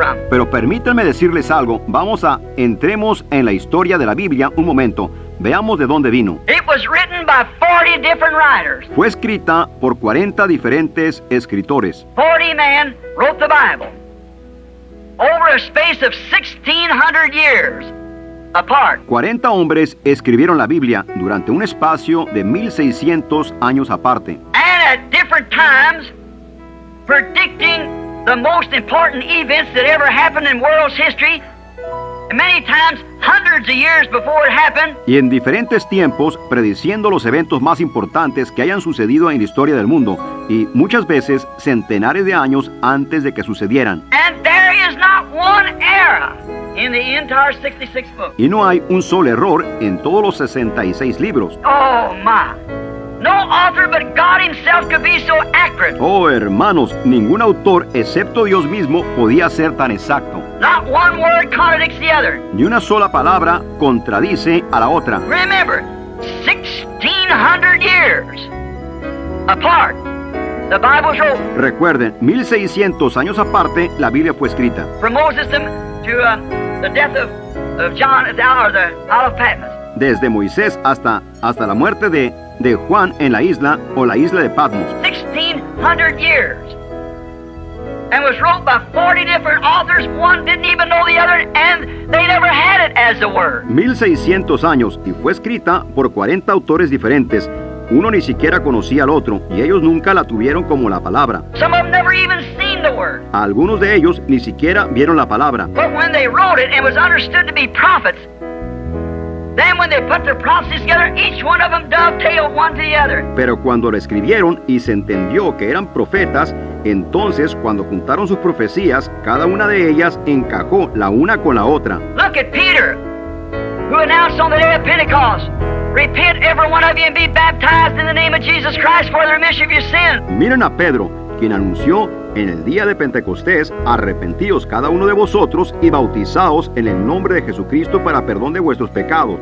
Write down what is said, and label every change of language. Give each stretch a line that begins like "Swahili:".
Spanish: Pero permítanme decirles algo. Vamos a entremos en la historia de la Biblia un momento. Veamos de dónde vino.
English: It was written by 40 different writers.
Spanish: Fue escrita por 40 diferentes escritores.
English: 40 men wrote the Bible over a space of 1600 years apart.
Spanish: 40 hombres escribieron la Biblia durante un espacio de 1600 años aparte.
English: And at different times, predicting the most important events that ever happened in world's history. Many times, hundreds of years before it happened.
Spanish: Y en diferentes tiempos, prediciendo los eventos más importantes que hayan sucedido en la historia del mundo, y muchas veces centenares de años antes de que sucedieran.
English: And there is not one error in the entire 66 books.
Spanish: Y no hay un solo error en todos los 66 libros.
English: Oh my. No author but God himself could be so accurate.
Spanish: Oh, hermanos, ningún autor excepto Dios mismo podía ser tan exacto.
English: Not one word contradicts the other.
Spanish: Ni una sola palabra contradice a la otra.
English: Remember, 1600 years apart, the Bible was written.
Spanish: Recuerden, 1600 años aparte, la Biblia fue escrita.
English: From Moses to the death of John at the Isle of Patmos.
Spanish: Desde Moisés hasta la muerte de Juan en la isla o la isla de Patmos.
English: 1600 years. And was wrote by 40 different authors. One didn't even know the other, and they never had it as a word.
Spanish: 1600 años y fue escrita por 40 autores diferentes. Uno ni siquiera conocía al otro y ellos nunca la tuvieron como la palabra.
English: Some of them never even seen the word.
Spanish: Algunos de ellos ni siquiera vieron la palabra.
English: But when they wrote it, it was understood to be prophets. Then when they put their prophecies together, each one of them dovetailed one to the other.
Spanish: Pero cuando lo escribieron y se entendió que eran profetas, entonces cuando juntaron sus profecías, cada una de ellas encajó la una con la otra.
English: Look at Peter, who announced on the day of Pentecost, repent every one of you and be baptized in the name of Jesus Christ for the remission of your sins.
Spanish: Miren a Pedro, quien anunció en el día de Pentecostés, arrepentíos cada uno de vosotros y bautizaos en el nombre de Jesucristo para perdón de vuestros pecados.